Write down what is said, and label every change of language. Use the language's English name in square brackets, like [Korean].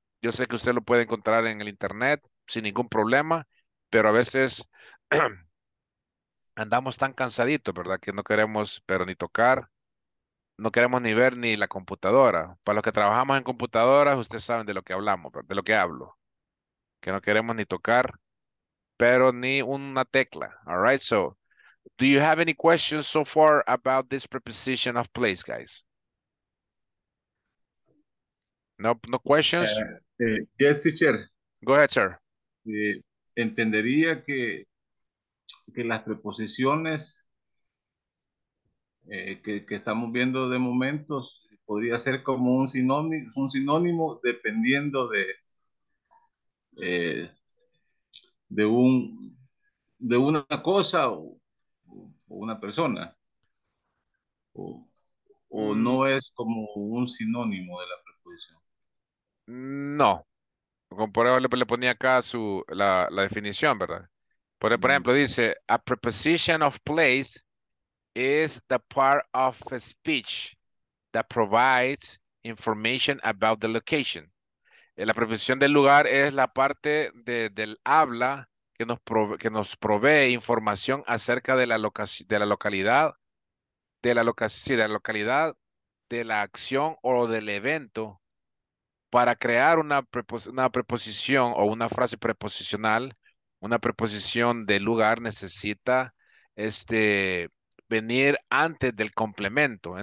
[Spanish] Yo sé que usted lo puede encontrar en el internet sin ningún problema, pero a veces andamos tan cansaditos, ¿verdad? Que no queremos, pero ni tocar, no queremos ni ver ni la computadora. Para los que trabajamos en computadoras, ustedes saben de lo que hablamos, de lo que hablo. Que no queremos ni tocar, pero ni una tecla. [English] All right, so. Do you have any questions so far about this preposition of place, guys? Nope, no questions? Yes, teacher. Go ahead, sir. [Spanish] Entendería que las preposiciones que estamos viendo de momentos podría ser como un sinónimo dependiendo de una cosa o una persona o no es como un sinónimo de la preposición. No. Como por ejemplo le ponía acá la definición, ¿verdad? Por ejemplo, dice [English] a preposition of place is the part of a speech that provides information about the location. [Spanish] La preposición del lugar es la parte del habla que nos provee información acerca de la localidad de la acción o del evento. Para crear una preposición o una frase preposicional, una preposición de lugar necesita venir antes del complemento.